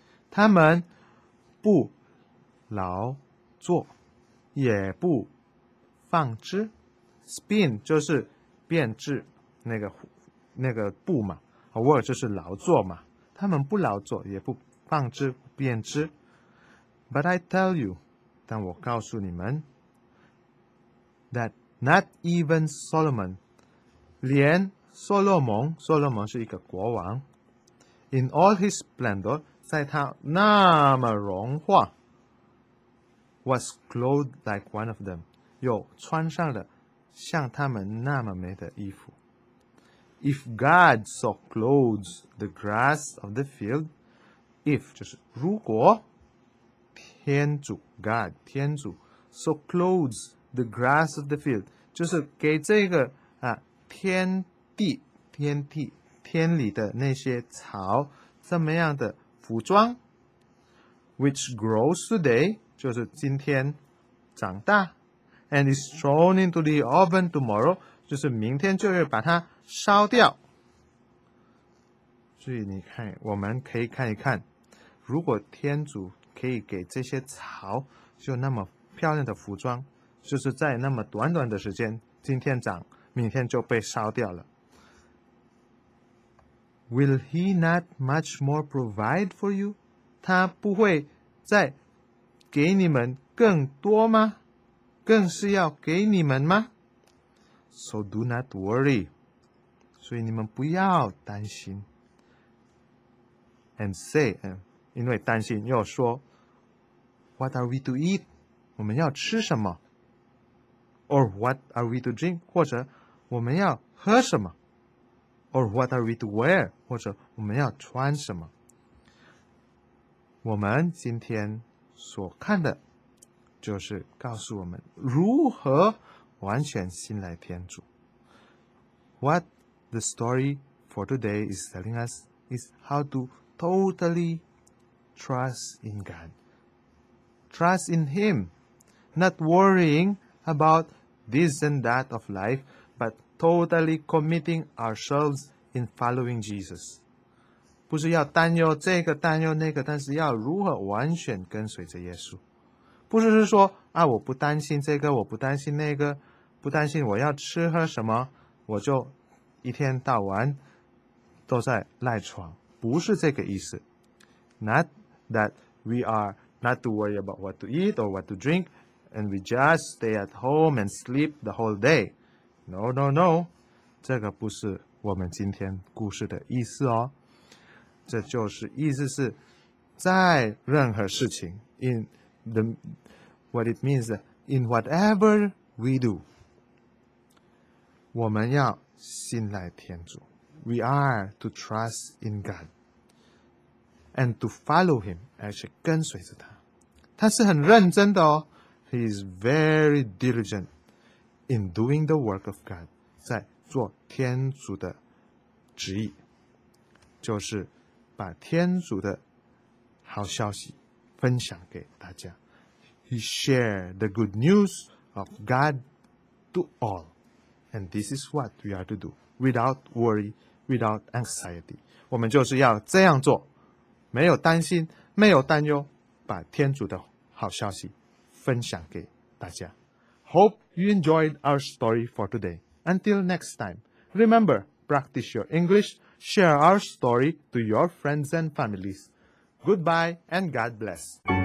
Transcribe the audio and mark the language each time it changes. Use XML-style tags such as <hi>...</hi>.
<zh>他们不劳作也不纺织 Spin 就是编织那个布嘛 Work 就是劳作嘛他们不劳作也不纺织编织</zh> <en>But I tell you</en> <zh>但我告诉你们</zh> <en>ThatNot even Solomon,</en> <zh>连所罗门，所罗门是一个国王。</zh> <en>In all his splendor,</en> <zh>在他那么荣华</zh> <en>，was clothed like one of them,</en> <zh>又穿上了像他们那么美的衣服。</zh> <en>If God so clothes the grass of the field, if</en> <zh>就是如果天主</zh> <en>God 天主 so clothes the grass of the field。</en> <zh>就是给这个、啊、天地天里的那些草怎么样的服装</zh> <en>which grows today</en> <zh>就是今天长大</zh> <en>and is thrown into the oven tomorrow</en> <zh>就是明天就会把它烧掉所以你看我们可以看一看如果天主可以给这些草就那么漂亮的服装就是在那么短短的时间今天长明天就被烧掉了</zh> <en>Will he not much more provide for you?</en> <zh>他不会再给你们更多吗更是要给你们吗</zh> <en>So do not worry</en> <zh>所以你们不要担心</zh> <en>And say</en> <zh>因为担心又说</zh> <en>What are we to eat?</en> <zh>我们要吃什么</zh> <en>Or what are we to drink?</en> <zh>或者我们要喝什么 ？</zh> <en>Or what are we to wear?</en> <zh>或者我们要穿什么？我们今天所看的，就是告诉我们如何完全信赖天主。</zh> <en>What the story for today is telling us is how to totally trust in God. Trust in Him, not worrying about this and that of life, but totally committing ourselves in following Jesus.</en> <zh>不是要担忧这个担忧那个但是要如何完全跟随着耶稣。不是说啊我不担心这个我不担心那个不担心我要吃喝什么我就一天到晚都在赖床。不是这个意思。</zh> <en>Not that we are not to worry about what to eat or what to drink,And we just stay at home and sleep the whole day. No, no, no.</en> <zh>这个不是我们今天故事的意思哦。这就是意思是在任何事情</zh> <en>in the, what it means in whatever we do.</en> <zh>我们要信赖天主。</zh> <en>We are to trust in God. And to follow Him,</en> <zh>而且跟随着他。他是很认真的哦。</zh> <en>He is very diligent in doing the work of God,</en> <zh>在做天主的旨意，就是把天主的好消息分享给大家。</zh> <en>He shared the good news of God to all, and this is what we are to do, without worry, without anxiety.</en> <zh>我们就是要这样做，没有担心，没有担忧，把天主的好消息分享给大家。</zh> <en>Hope you enjoyed our story for today. Until next time, remember, practice your English, share our story to your friends and families. Goodbye and God bless.</en>